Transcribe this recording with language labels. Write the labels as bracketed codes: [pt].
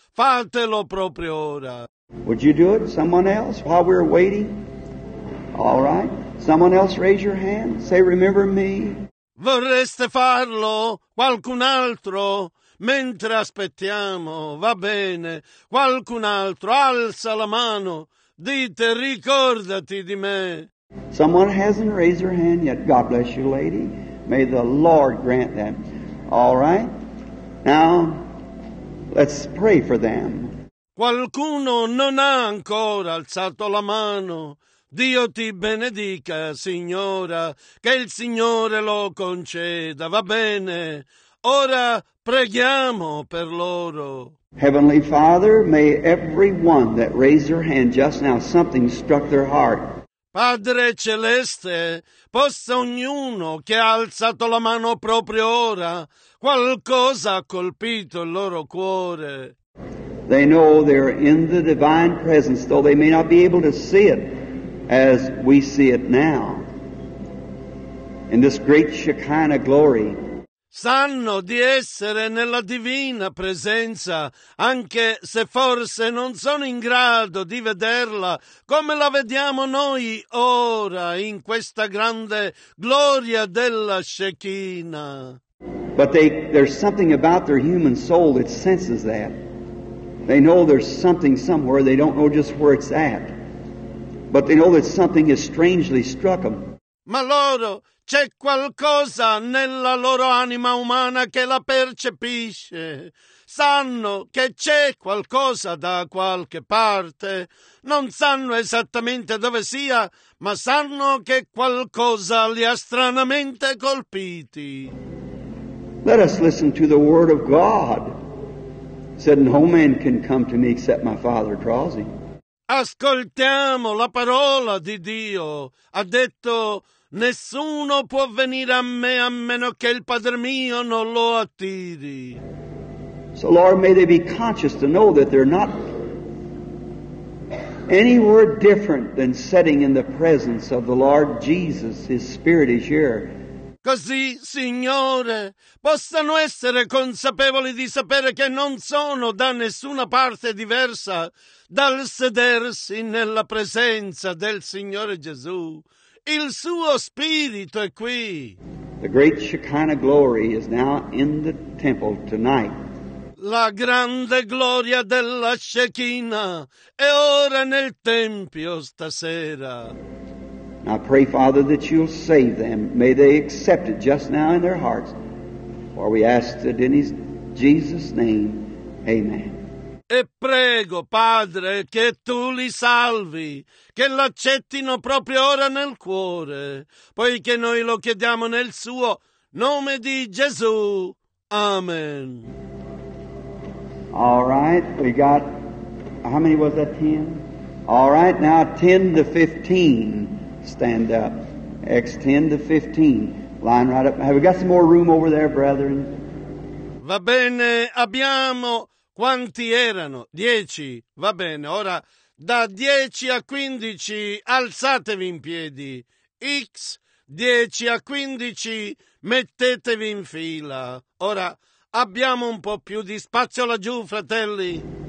[it] Fatelo proprio ora. [en] Would you do it? Someone else while we're waiting? All right. Someone else raise your hand. Say, remember me. [it] Vorreste farlo? Qualcun altro? Mentre aspettiamo, va bene, qualcun altro, alza la mano, dite, ricordati di me. [en] Someone hasn't raised their hand yet. God bless you, lady. May the Lord grant them. All right. Now, let's pray for them. [it] Qualcuno non ha ancora alzato la mano. Dio ti benedica, signora, che il Signore lo conceda, va bene. Ora preghiamo per loro. [en] Heavenly Father, may everyone that raised their hand just now, something struck their heart. [it] Padre Celeste, possa ognuno che ha alzato la mano proprio ora, qualcosa ha colpito il loro cuore. [en] They know they're in the divine presence, though they may not be able to see it as we see it now. In this great Shekinah glory, [it] sanno di essere nella divina presenza, anche se forse non sono in grado di vederla come la vediamo noi ora in questa grande gloria della Shekinah. [en] But there's something about their human soul that senses that. They know there's something somewhere, they don't know just where it's at. But they know that something has strangely struck them. [it] Ma loro, c'è qualcosa nella loro anima umana che la percepisce. Sanno che c'è qualcosa da qualche parte. Non sanno esattamente dove sia, ma sanno che qualcosa li ha stranamente colpiti. [en] Let us listen to the word of God. It said, no man can come to me except my Father draws him. [it] Ascoltiamo la parola di Dio. Ha detto, nessuno può venire a me a meno che il Padre mio non lo attiri. [en] So Lord, may they be conscious to know that they're not anywhere different than sitting in the presence of the Lord Jesus. His Spirit is here. [it] Così, Signore, possano essere consapevoli di sapere che non sono da nessuna parte diversa dal sedersi nella presenza del Signore Gesù. Il suo spirito è qui. [en] The great Shekinah glory is now in the temple tonight. [it] La grande gloria della Shekinah è ora nel tempio stasera. [en] I pray, Father, that you'll save them. May they accept it just now in their hearts. For we ask it in Jesus' name. Amen. [it] E prego, Padre, che tu li salvi, che l'accettino proprio ora nel cuore, poiché noi lo chiediamo nel suo nome di Gesù. Amen. [en] All right, we got how many was that, 10? All right, now 10 to 15, stand up. Acts 10 to 15, line right up. Have we got some more room over there, brethren? [it] Va bene, abbiamo, quanti erano? 10, va bene, ora da 10 a 15, alzatevi in piedi. X, 10 a 15, mettetevi in fila. Ora abbiamo un po' più di spazio laggiù, fratelli.